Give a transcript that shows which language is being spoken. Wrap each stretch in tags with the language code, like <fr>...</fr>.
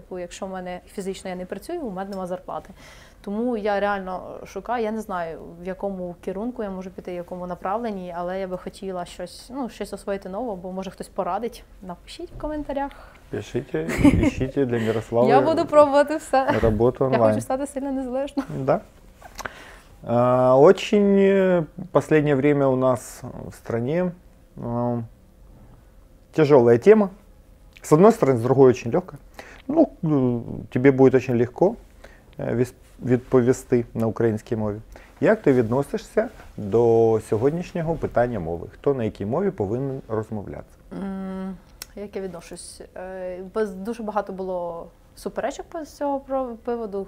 <uk>Типу, якщо в мене фізично я не працюю, у мене нема зарплати. Тому я реально шукаю, я не знаю, в якому керунку я можу піти, в якому направленні, але я би хотіла щось, ну, щось освоїти нове, бо може хтось порадить. Напишіть в коментарях. Пишіть, пишіть для Мирослава. Я буду пробувати все. Роботу онлайн. Я хочу стати сильно незалежно.</uk> <ru>Да. Очень последнее время у нас в стране тяжелая тема. С одной стороны, с другой очень легкая. Ну, тебе будет очень легко</ru> <uk>відповісти на українській мові. Як ти відносишся до сьогоднішнього питання мови? Хто на якій мові повинен розмовляти? Як я відношусь? Дуже багато було суперечок по цього приводу.</uk>